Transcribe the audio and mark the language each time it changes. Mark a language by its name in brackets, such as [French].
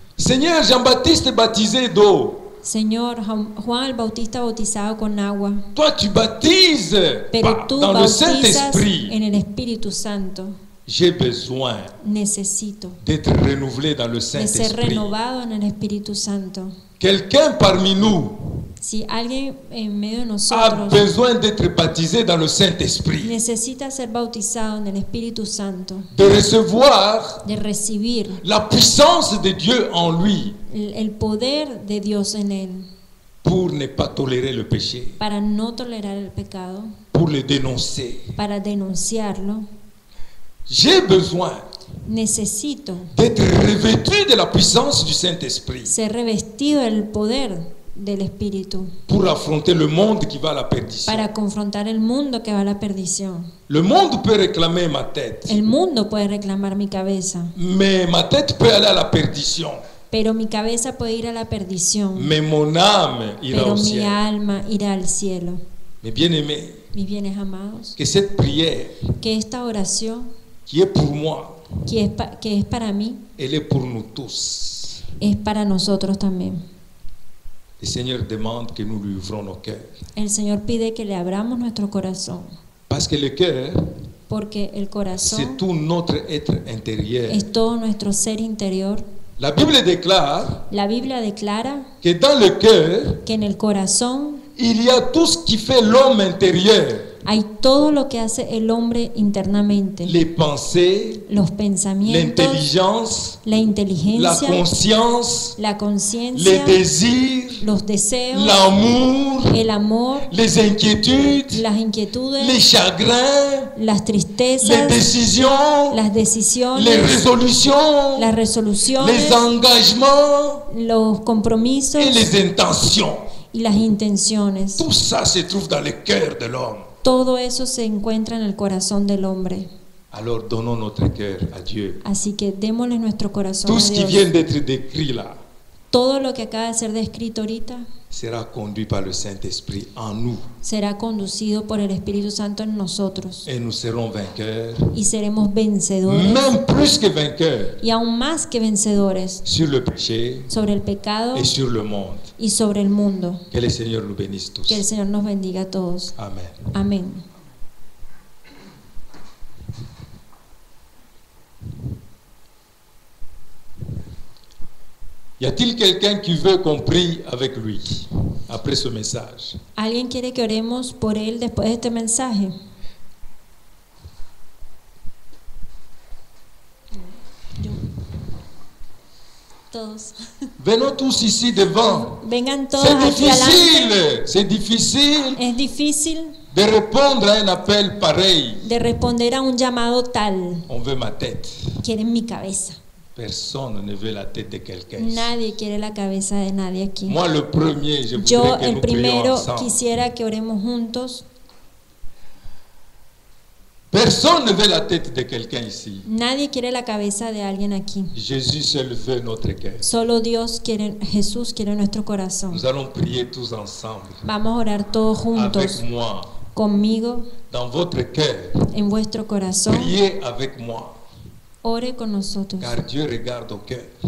[French] Seigneur, Jean-Baptiste est baptisé d'eau. [Spanish] Señor, Juan el Bautista bautizado con agua. [French] Toi, tu baptises, [Spanish] pero tú [French] dans [Spanish] bautizas [French] le Saint-Esprit. [Spanish] En el Espíritu Santo. [French] J'ai besoin [Spanish] necesito [French] d'être renouvelé dans le Saint-Esprit. [Spanish] De ser renovado en el Espíritu Santo. [French] Quelqu'un parmi nous, [Spanish] si alguien en medio de nosotros [French] a besoin d'être baptisé dans le Saint-Esprit, [Spanish] necesita ser bautizado en el Espíritu Santo, [French] de recevoir, [Spanish] de recibir [French] la puissance de Dieu en lui, [Spanish] el poder de Dios en él, [French] pour ne pas tolérer le péché, [Spanish] para no tolerar el pecado, [French] pour le dénoncer, [Spanish] para denunciarlo. [French] J'ai besoin, [Spanish] necesito, [French] d'être revêtu de la puissance du Saint-Esprit, [Spanish] ser revestido del poder del Espíritu, [French] pour affronter le monde qui va à la perdition, [Spanish] para confrontar el mundo que va a la perdición. [French] Le monde peut réclamer ma tête, [Spanish] el mundo puede reclamar mi cabeza, [French] mais ma tête peut aller à la perdition, [Spanish] pero mi cabeza puede ir a la perdición, [French] mais mon âme ira [Spanish] pero [French] au [Spanish] mi [French] ciel. [Spanish] Alma irá al cielo. [French] Mes bien-aimés, [Spanish] mis bienes amados, [French] que cette prière, [Spanish] que esta oración, [French] qui est pour moi, [Spanish] que es para mí, [French] elle est pour nous tous, [Spanish] es para nosotros también. [French] Le Seigneur demande que nous lui ouvrons nos cœurs. [Spanish] El Señor pide que le abramos nuestro corazón. [French] Parce que le cœur, [Spanish] porque el corazón, [French] c'est tout notre être intérieur. [Spanish] Es todo nuestro ser interior. [French] La Bible déclare. [Spanish] La Biblia declara. [French] Que dans le cœur, [Spanish] que en el corazón, [French] il y a tout ce qui fait l'homme intérieur. [Spanish] Hay todo lo que hace el hombre internamente. [French] Les pensées, [Spanish] los pensamientos, [French] l'intelligence, [Spanish] la inteligencia, [French] la conscience, [Spanish] la conciencia, [French] les désirs, [Spanish] los deseos, [French] l'amour, [Spanish] el amor, [French] les inquiétudes, [Spanish] las inquietudes, [French] les chagrins, [Spanish] las tristezas, [French] les décisions, [Spanish] las decisiones, [French] les résolutions, [Spanish] las resoluciones, [French] les engagements, [Spanish] los compromisos, [French] et les intentions, [Spanish] y las intenciones. [French] Tout ça se trouve dans le cœur de l'homme. [Spanish] Todo eso se encuentra en el corazón del hombre. [French] Alors, donnons notre cœur à Dieu. [Spanish] Así que démosle nuestro corazón [French] tout [Spanish] a Dios. [French] Ce qui vient d'être décrit là, [Spanish] todo lo que acaba de ser descrito ahorita será [French] conduit par le Saint-Esprit en nous. [Spanish] Será conducido por el Espíritu Santo en nosotros. [French] Et nous serons vainqueurs, [Spanish] y seremos vencedores. [French] Même plus que vainqueurs, [Spanish] y aún más que vencedores. [French] Sur le péché, [Spanish] sobre el pecado [French] et sur le monde. [Spanish] Y sobre el mundo. [French] Que le Seigneur nous bénisse tous. [Spanish] Que el Señor nos bendiga a todos. [French] Amén. [Spanish] Amén. [French] Y a-t-il quelqu'un qui veut qu'on prie avec lui après ce message? [Spanish] ¿Alguien quiere que oremos por él después de este mensaje? Yo. Todos. [French] Venons tous ici devant. [Spanish] Vengan todos. [French] C'est difficile. C'est difficile. [Spanish] Es difícil. [French] De répondre à un appel pareil. [Spanish] De responder a un llamado tal. [French] On veut ma tête. [Spanish] Quieren mi cabeza. [French] Personne ne veut la tête de quelqu'un. [Spanish] Nadie quiere la cabeza de nadie aquí. [French] Moi, le premier, je [Spanish] yo que el [French] nous [Spanish] primero [French] ensemble. [Spanish] Quisiera que oremos juntos. [French] Personne ne veut la tête de quelqu'un ici. [Spanish] Nadie quiere la cabeza de alguien aquí. [French] Jésus seul veut notre cœur. [Spanish] Solo Dios quiere, Jesús quiere nuestro corazón. [French] Nous allons prier tous ensemble. [Spanish] Vamos a orar todos juntos. [French] Avec moi. [Spanish] Conmigo. [French] Dans votre cœur. [Spanish] En vuestro corazón. [French] Priez avec moi. [Spanish] Ore con nosotros. [French] Car Dieu regarde au cœur.